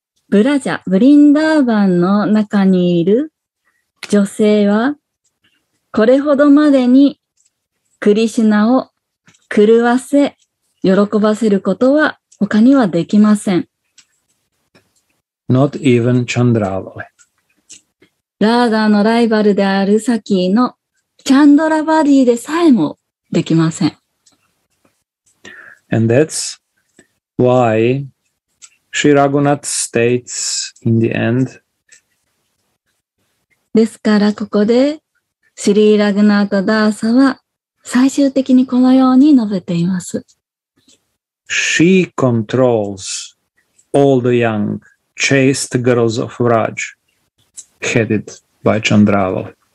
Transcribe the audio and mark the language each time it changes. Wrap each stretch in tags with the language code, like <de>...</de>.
<ja>ブラジャ、ブリンダーバンの中にいる女性は、これほどまでにクリシュナを狂わせ、喜ばせることは他にはできません。</ja> <en>Not even Chandravali.</en> <ja>ラーダのライバルであるサキーのチャンドラバディでさえもできません。</ja> <en>And that's why Shri Raghunath states in the end.</en> <ja>ですからここでシリーラグナータダーサは最終的にこのように述べています。</ja> <en>She controls all the young chaste girls of Vraj, headed by Chandravali.</en>